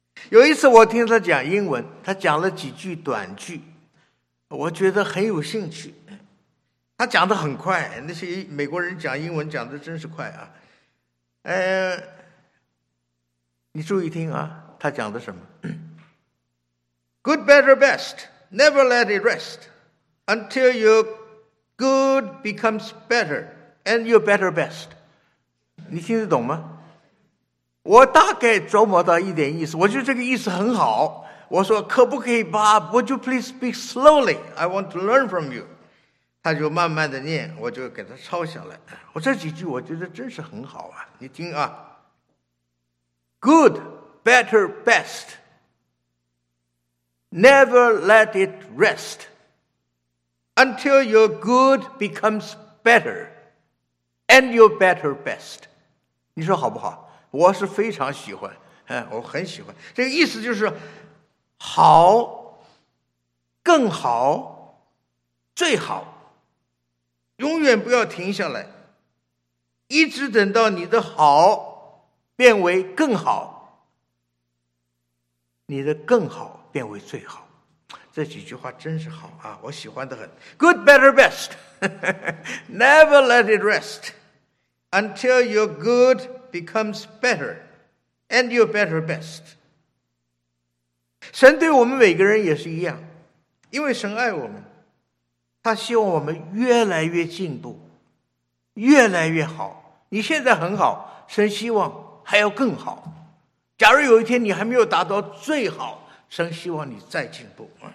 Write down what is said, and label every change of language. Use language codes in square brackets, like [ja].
[zh] 有一次我听他讲英文，他讲了几句短句，我觉得很有兴趣。他讲得很快，那些美国人讲英文讲得真是快啊。你注意听啊，他讲的什么 ？ [en] Good, better, best. Never let it rest until your good becomes better and your better best. [zh] 你听得懂吗？我大概琢磨到一点意思，我觉得这个意思很好。我说可不可以把 ， [en] Would you please speak slowly? I want to learn from you. [zh] 他就慢慢的念，我就给他抄下来。我这几句我觉得真是很好啊，你听啊。 [en] Good, better, best. Never let it rest until your good becomes better and your better best. [zh] 你说好不好？我是非常喜欢，我很喜欢。这个意思就是好、更好、最好，永远不要停下来，一直等到你的好变为更好。你的更好变为最好，这几句话真是好啊，我喜欢得很。 [en] Good, better, best. Never let it rest until your good becomes better and your better best. [zh] 神对我们每个人也是一样，因为神爱我们，他希望我们越来越进步，越来越好。你现在很好，神希望还要更好。假如有一天你还没有达到最好，神希望你再进步。